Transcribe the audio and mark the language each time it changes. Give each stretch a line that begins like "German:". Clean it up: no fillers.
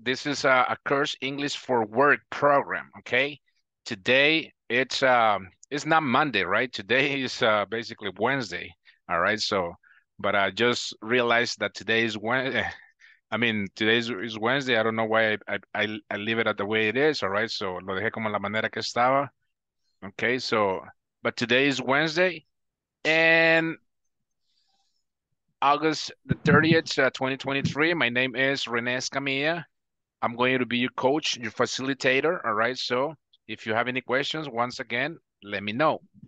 English: This is a course English for Work program. Okay. Today it's not Monday, right? Today is basically Wednesday. All right. So, but I just realized that today is Wednesday. I mean, today is Wednesday. I don't know why I leave it at the way it is. All right.
Spanish: So lo dejé como la manera que estaba.
English: Okay, so, but today is Wednesday and August the 30th, 2023. My name is Rene Escamilla. I'm going to be your coach, your facilitator. All right, so if you have any questions, once again, let me know.